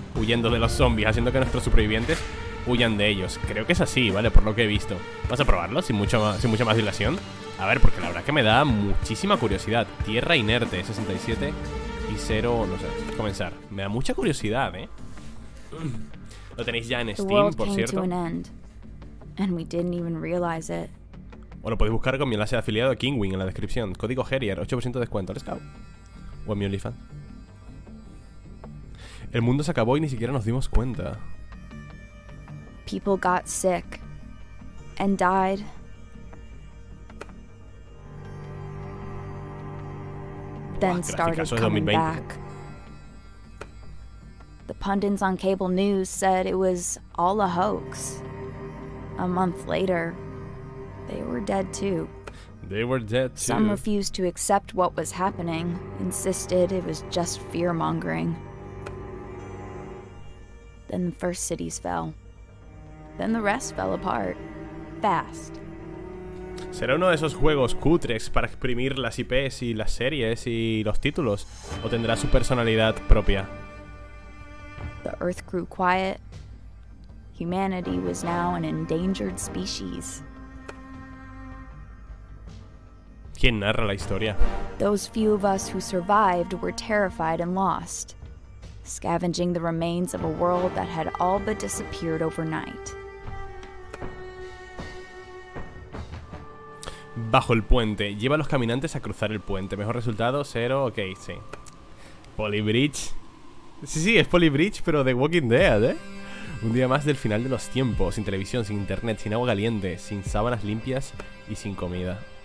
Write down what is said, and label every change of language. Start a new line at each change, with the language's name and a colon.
Spanish: Huyendo de los zombies, haciendo que nuestros supervivientes huyan de ellos. Creo que es así, ¿vale? Por lo que he visto. Vamos a probarlo, sin mucha más dilación. A ver, porque la verdad es que me da muchísima curiosidad. Tierra inerte, 67 y 0, no sé, comenzar. Me da mucha curiosidad, Lo tenéis ya en Steam, por cierto.
English: And we didn't even realize it.
Spanish: O lo podéis buscar con mi enlace de afiliado a Kingwin en la descripción. Código Gerier, 8% de descuento.
English: Let's go.
Spanish: O en mi OnlyFans. El mundo se acabó y ni siquiera nos dimos cuenta.
English: People got sick and died. Then started coming back. The pundits on cable news said it was all a hoax. A month later, they were dead too. They were dead too. Some refused to accept what was happening, insisted it was just fear-mongering. Then the first cities fell. Then the rest fell apart. Fast.
Spanish: ¿Será uno de esos juegos cutres para exprimir las IPs y las series y los títulos? ¿O tendrá su personalidad propia?
English: The earth grew quiet. Humanity was now an endangered species.
Spanish: ¿Quién narra la historia?
English: Those few of us who survived were terrified and lost, scavenging the remains of a world that had all but disappeared overnight.
Spanish: Bajo el puente. Lleva a los caminantes a cruzar el puente. Mejor resultado, cero. Ok, sí. Polybridge. Sí, sí, es Polybridge, pero de Walking Dead, ¿eh? Un día más del final de los tiempos. Sin televisión, sin internet, sin agua caliente, sin sábanas limpias y sin comida.